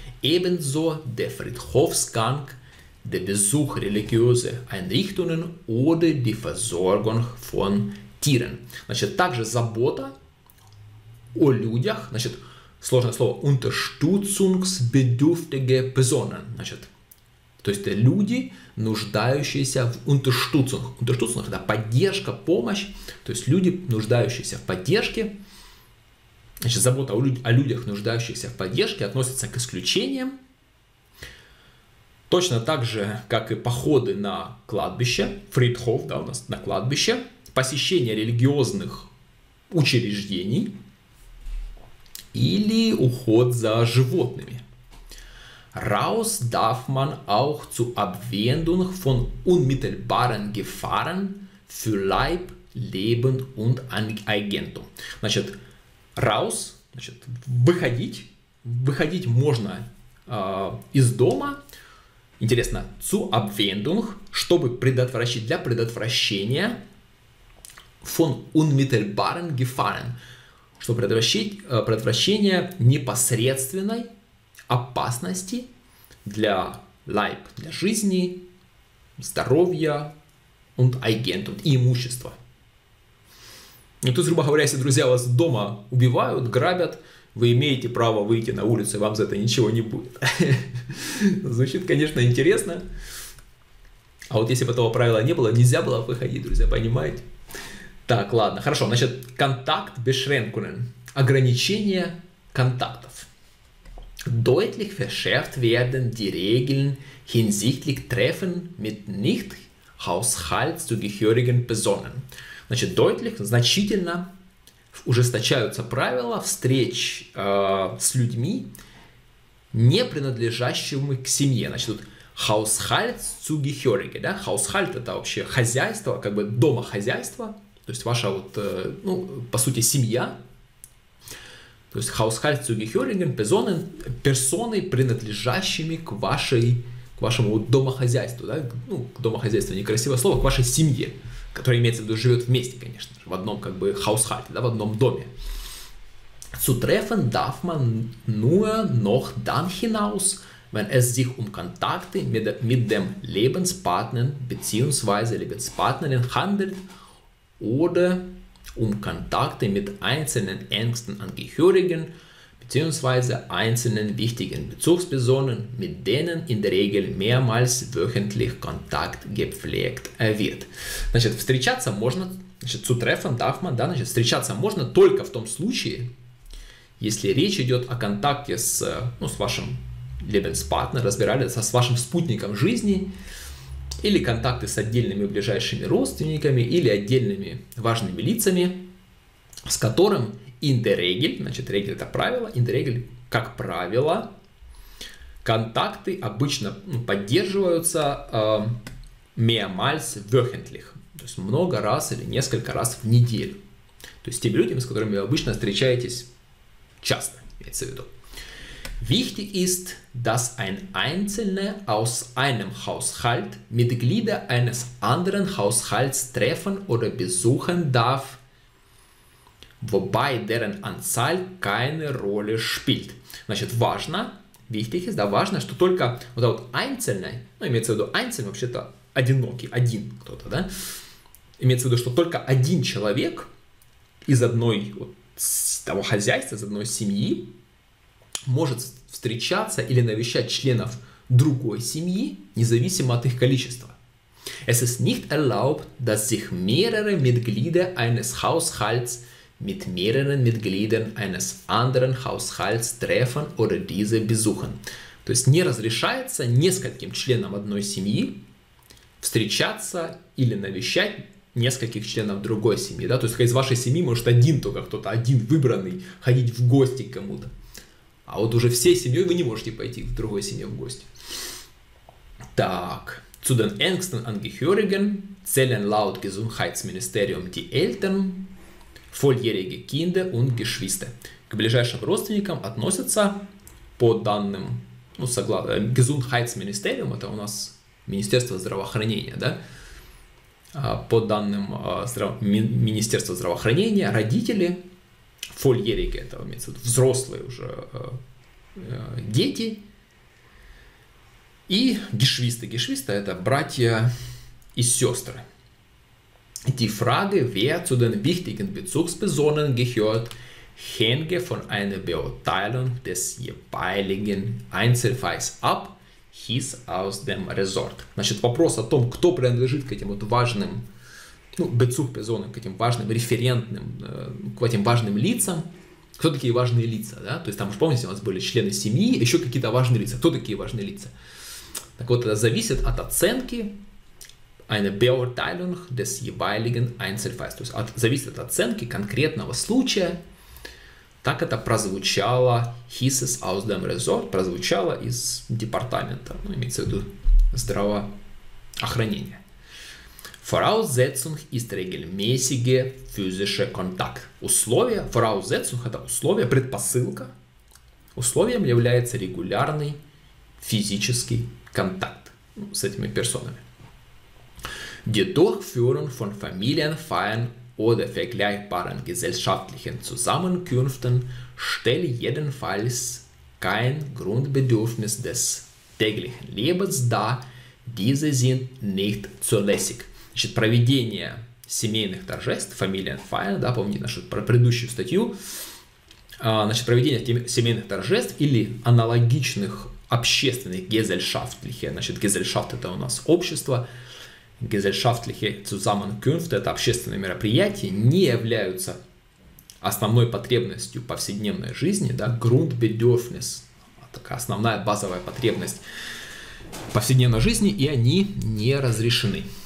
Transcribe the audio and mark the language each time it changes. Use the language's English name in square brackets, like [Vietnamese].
[German] Ebenso der Friedhofsgang, der Besuch religiöser Einrichtungen oder die Versorgung von Tieren. [Russian] Значит, также забота о людях, значит, сложное слово, [German] unterstützungsbedürftige Personen, [Russian] значит, то есть люди, нуждающиеся в Unterstützung. Unterstützung – это поддержка, помощь, то есть люди, нуждающиеся в поддержке. Значит, забота о людях, нуждающихся в поддержке, относится к исключениям. Точно так же, как и походы на кладбище, Friedhof, да, у нас на кладбище, посещение религиозных учреждений или уход за животными. [German] Raus darf man auch zu Abwendung von unmittelbaren Gefahren für Leib, Leben und Eigentum. [Russian] Значит, raus, значит, выходить можно из дома. Интересно, [German] zu Abwendung, [Russian] чтобы предотвращать, для предотвращения [German] von unmittelbaren Gefahren, [Russian] чтобы предотвращать предотвращение непосредственной опасности для Leib, для жизни, здоровья [German] und Eigentum, [Russian] и имущества. Ну, то есть, грубо говоря, если, друзья, вас дома убивают, грабят, вы имеете право выйти на улицу, и вам за это ничего не будет. Звучит, конечно, интересно. А вот если бы этого правила не было, нельзя было выходить, друзья, понимаете? Так, ладно, хорошо. Значит, контакт beschränkungen. Ограничение контактов. [German] Deutlich verschärft werden die Regeln hinsichtlich Treffen mit nicht haushaltszugehörigen Personen. [Russian] Значит, deutlich, значительно ужесточаются правила встреч с людьми, не принадлежащими к семье. Значит, тут haushaltszugehörige, да? Haushalt – это вообще хозяйство, как бы домохозяйство, то есть ваша вот, ну, по сути, семья. То есть [German] haushaltszugehörigen Personen, [Russian] персоны, принадлежащими к вашей, к вашему домохозяйству, да? Ну, домохозяйство – некрасивое слово, к вашей семье, которая имеется в виду, живет вместе, конечно же, в одном как бы haushalt, да, в одном доме. [German] Zu treffen darf man nur noch dann hinaus, wenn es sich Kontakte mit dem Lebenspartner bzw. Lebenspartnerin handelt oder Kontakte mit einzelnen engsten Angehörigen bzw. einzelnen wichtigen Bezugspersonen, mit denen in der Regel mehrmals wöchentlich Kontakt gepflegt wird. [Russian] Значит, встречаться можно, значит, [German] zu treffen darf man, [Russian] да, значит, встречаться можно только в том случае, если речь идет о контакте с, ну, с вашим Lebenspartner, разбирали, с вашим спутником жизни, или контакты с отдельными ближайшими родственниками, или отдельными важными лицами, с которым [German] in der Regel, [Russian] значит, Regel – это правило, in der Regel, как правило, контакты обычно поддерживаются [German] mehrmals wöchentlich, [Russian] то есть много раз или несколько раз в неделю. То есть теми людьми, с которыми вы обычно встречаетесь часто, имеется в виду. [German] Wichtig ist, dass ein Einzelner aus einem Haushalt Mitglieder eines anderen Haushalts treffen oder besuchen darf, wobei deren Anzahl keine Rolle spielt. [Russian] Значит, важно, [German] wichtig ist, [Russian] да, важно, что только вот этот Einzelner, ну, имеется в виду Einzelner, вообще-то одинокий, один кто-то, да, имеется в виду, что только один человек из одной вот, того хозяйства, из одной семьи может встречаться или навещать членов другой семьи, независимо от их количества. [German] Es ist nicht erlaubt, dass sich mehrere Mitglieder eines Haushalts mit mehreren Mitgliedern eines anderen Haushalts treffen oder diese besuchen. [Russian] То есть не разрешается нескольким членам одной семьи встречаться или навещать нескольких членов другой семьи, да, то есть из вашей семьи может один только кто-то, один выбранный, ходить в гости к кому-то, а вот уже всей семьей вы не можете пойти в другой семье в гости. [German] Так, zu den engsten Angehörigen zählen laut Gesundheitsministerium die Eltern, volljährige Kinder und Geschwister. [Russian] К ближайшим родственникам относятся, по данным, ну, согласно, Gesundheitsministerium, это у нас Министерство здравоохранения, да, по данным Министерства здравоохранения, родители, volljährige, это имеется в виду, взрослые уже дети, и Geschwister, Geschwister – это братья и сестры. [German] Die Frage, wer zu den wichtigen Bezugspersonen gehört, hänge von einer Beurteilung des jeweiligen Einzelfalls ab, hieß aus dem Resort. [Russian] Значит, вопрос о том, кто принадлежит к этим вот важным, ну, Bezugspersonen, к этим важным референтным, к этим важным лицам. Кто такие важные лица, да? То есть там, помните, у нас были члены семьи, еще какие-то важные лица. Кто такие важные лица? Так вот, это зависит от оценки, [German] eine Beurteilung des jeweiligen Einzelfalls, [Russian] то есть от, зависит от оценки конкретного случая, так это прозвучало, [German] hieß es aus dem Resort, [Russian] прозвучало из департамента, ну, имеется в виду здравоохранения. [German] Voraussetzung ist regelmäßige physische Kontakt. [Russian] Условие, Voraussetzung – это условие, предпосылка, условием является регулярный физический контакт с этими персонами. [German] Die Durchführung von Familienfeiern oder vergleichbaren gesellschaftlichen Zusammenkünften stellt jedenfalls kein Grundbedürfnis des täglichen Lebens dar. Diese sind nicht zulässig. [Russian] Значит, проведение семейных торжеств, Familienfeier, да, помните нашу предыдущую статью, значит, проведение семейных торжеств или аналогичных общественных, gesellschaftliche, значит, gesellschaft – это у нас общество, [German] gesellschaftliche Zusammenkünfte [Russian] – это общественные мероприятия, не являются основной потребностью повседневной жизни, да, Grundbedürfnis – такая основная базовая потребность повседневной жизни, и они не разрешены.